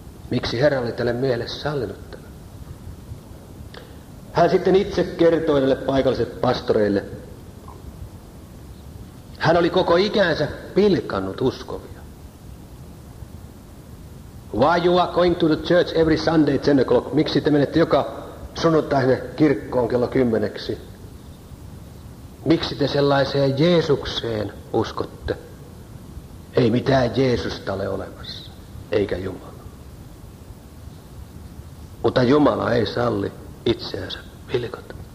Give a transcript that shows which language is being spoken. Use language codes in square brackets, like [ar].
[fi] Miksi Herra oli tälle miehelle sallinut tämän? Hän sitten itse kertoi näille paikallisille pastoreille. Hän oli koko ikänsä pilkannut uskovia. [en] Why you are going to the church every Sunday at 10 o'clock? [fi] Miksi te menette joka sunnuntai sinne kirkkoon 10:00? Miksi te sellaiseen Jeesukseen uskotte? Ei mitään Jeesusta ole olemassa, eikä Jumala. Mutta Jumala ei salli itseänsä pilkota.